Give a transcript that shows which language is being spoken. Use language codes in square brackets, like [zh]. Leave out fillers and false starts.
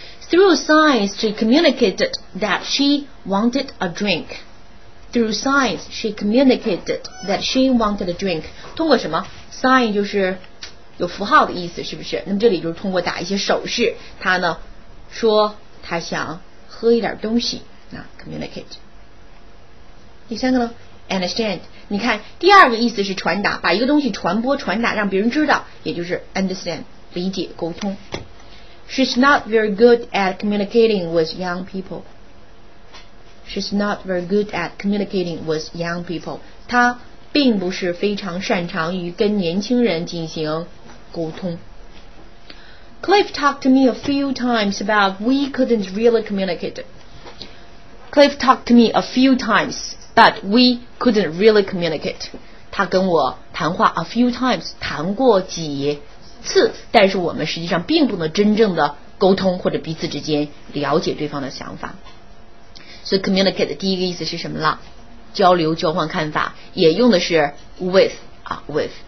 [en] Through signs, she communicated that she wanted a drink. Through signs, she communicated that she wanted a drink. [zh] 通过什么 ？Sign 就是有符号的意思，是不是？那么这里就是通过打一些手势，她呢说她想喝一点东西。那 communicate。第三个呢 ？Understand。你看，第二个意思是传达，把一个东西传播、传达，让别人知道，也就是 understand， 理解、沟通。 [en] She's not very good at communicating with young people. She's not very good at communicating with young people. [zh] 她并不是非常擅长于跟年轻人进行沟通。 [en] Cliff talked to me a few times about we couldn't really communicate. Cliff talked to me a few times, but we couldn't really communicate. [zh] 她跟我谈话 [en] a few times, [zh] 谈过几次，但是我们实际上并不能真正的沟通或者彼此之间了解对方的想法。所以 communicate 的第一个意思是什么了？交流交换看法，也用的是 with 啊 with。